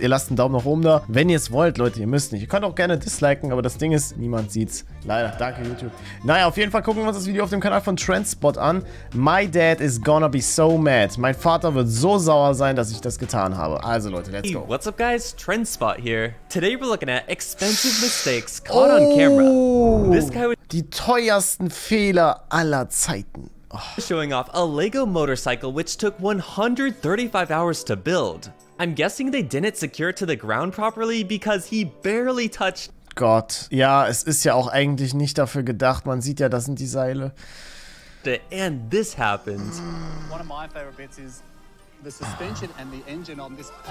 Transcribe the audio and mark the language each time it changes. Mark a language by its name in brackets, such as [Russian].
[German] Ihr lasst einen Daumen nach oben da. Wenn ihr es wollt, Leute, ihr müsst nicht. Ihr könnt auch gerne disliken, aber das Ding ist, niemand sieht's. Leider. Danke, YouTube. Naja, auf jeden Fall gucken wir uns das Video auf dem Kanal von Trendspot an. [English] My dad is gonna be so mad. [German] Mein Vater wird so sauer sein, dass ich das getan habe. Also Leute, [English] let's go. Hey, what's up guys? Trendspot here. Today we're looking at expensive mistakes caught on camera. This guy was [German] die teuersten Fehler aller Zeiten. Oh. [English] Showing off a Lego motorcycle which took 135 hours to build. I'm guessing they didn't secure it to the ground properly because he barely touched. [German] Gott, ja, es ist ja auch eigentlich nicht dafür gedacht. Man sieht ja, das sind die Seile. [English] And this happened. One of my favorite bits is the suspension and the engine on this.